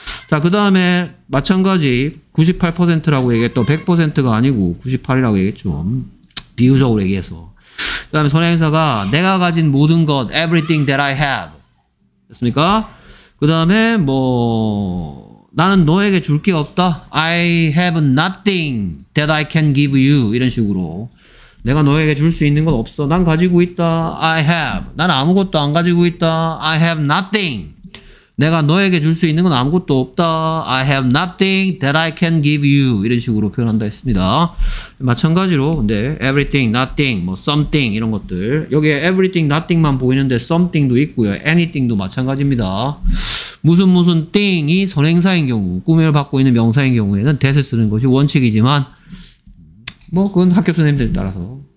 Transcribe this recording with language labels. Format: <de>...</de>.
<ko>자, 그 다음에 마찬가지 98%라고 얘기했던 100%가 아니고 98이라고 얘기했죠. 비유적으로 얘기해서. 그 다음에 선행사가 내가 가진 모든 것,</ko> <en>everything that I have.</en> <ko>됐습니까? 그 다음에 뭐 나는 너에게 줄 게 없다.</ko> <en>I have nothing that I can give you.</en> <ko>이런 식으로. 내가 너에게 줄 수 있는 건 없어. 난 가지고 있다.</ko> <en>I have.</en> <ko>난 아무것도 안 가지고 있다.</ko> <en>I have nothing.</en> <ko>내가 너에게 줄 수 있는 건 아무것도 없다.</ko> <en>I have nothing that I can give you.</en> <ko>이런 식으로 표현한다 했습니다. 마찬가지로 근데 everything, nothing, 뭐 something 이런 것들. 여기에 everything, nothing만 보이는데 something도 있고요. anything도 마찬가지입니다. 무슨 무슨 thing이 선행사인 경우, 꾸밀을 받고 있는 명사인 경우에는 that을 쓰는 것이 원칙이지만 뭐 그건 학교 선생님들에 따라서.</ko>